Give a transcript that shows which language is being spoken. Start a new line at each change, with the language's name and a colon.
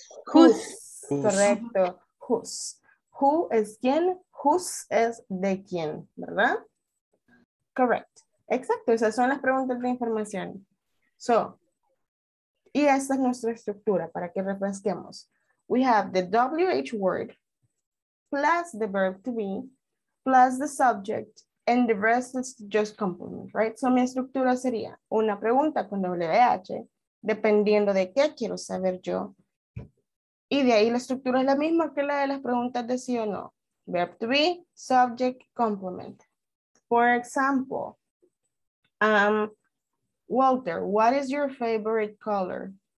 Spanish: Correcto. Who's. Who es quién? Who's es de quién, ¿verdad? Correct. Exacto. Esas son las preguntas de información. So, y esta es nuestra estructura para que refresquemos.
English: We have the WH word, plus the verb to be, plus the subject, and the rest is just complement, right?
Spanish: So mi estructura sería una pregunta con WH, dependiendo de qué quiero saber yo. Y de ahí la estructura es la misma que la de las preguntas de sí o no.
English: Verb to be, subject, complement. For example, Walter, what is your favorite color?